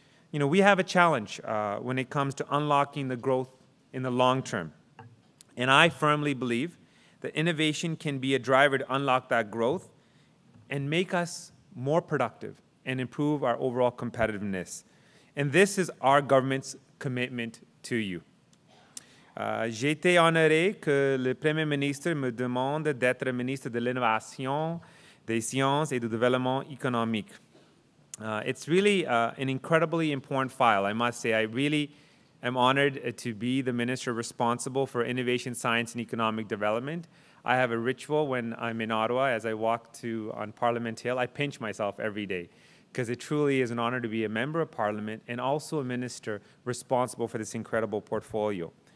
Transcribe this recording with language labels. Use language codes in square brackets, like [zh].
[en] You know, we have a challenge when it comes to unlocking the growth in the long term. And I firmly believe that innovation can be a driver to unlock that growth and make us more productive and improve our overall competitiveness. And this is our government's commitment to you. [fr] J'ai été honoré que le Premier ministre me demande d'être ministre de l'innovation, des sciences et du développement économique. [en] It's really an incredibly important file, I must say. I really am honored to be the minister responsible for innovation, science, and economic development. I have a ritual when I'm in Ottawa, as I walk to on Parliament Hill, I pinch myself every day, because it truly is an honor to be a member of Parliament and also a minister responsible for this incredible portfolio.